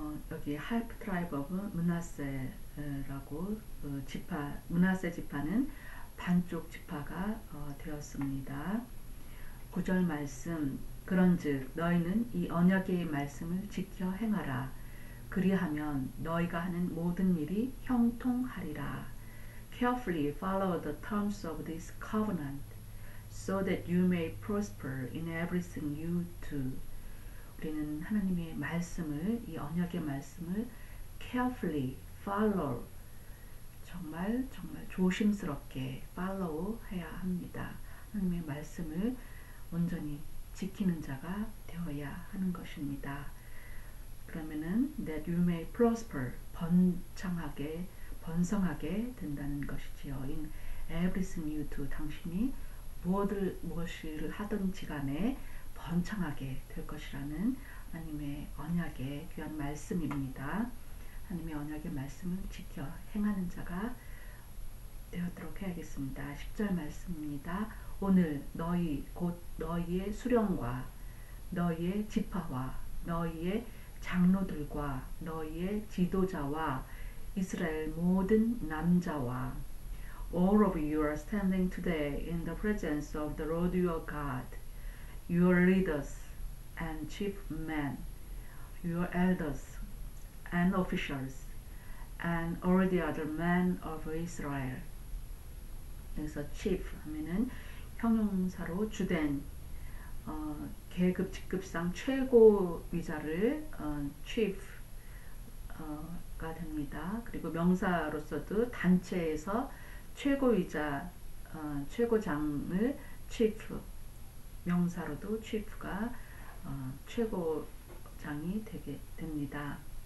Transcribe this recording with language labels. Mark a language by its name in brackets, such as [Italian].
[Korean] 여기 [English] half tribe of Manasseh [Korean] 라고 므낫세 지파는 반쪽 지파가 되었습니다. 9절 말씀, 그런즉 너희는 이 언약의 말씀을 지켜 행하라. 그리하면 너희가 하는 모든 일이 형통하리라. [English] Carefully follow the terms of this covenant, so that you may prosper in everything you do. [Korean] 우리는 하나님의 말씀을, 이 언약의 말씀을 [English] carefully follow, [Korean] 정말 정말 조심스럽게 follow 해야 합니다. 하나님의 말씀을 온전히 지키는 자가 되어야 하는 것입니다. 그러면은 [English] that you may prosper, [Korean] 번창하게, 번성하게 된다는 것이지요. [English] In everything you do, [Korean] 당신이 무엇을 하든지 간에 번창하게 될 것이라는 하나님의 언약의 귀한 말씀입니다. 하나님의 언약의 말씀을 지켜 행하는 자가 되었도록 해야겠습니다. 10절 말씀입니다. 오늘 너희 곧 너희의 수령과 너희의 지파와 너희의 장로들과 너희의 지도자와 이스라엘 모든 남자와 [English] All of you are standing today in the presence of the Lord your God, your leaders and chief men, your elders and officials, and all the other men of Israel. [Korean] 여기서 chief 하면은 형용사로 주된 계급 직급상 최고위자를 chief가 됩니다. 그리고 명사로서도 단체에서 최고위자 최고장을 chief 명사로도 chief가 최고장이 되게 됩니다.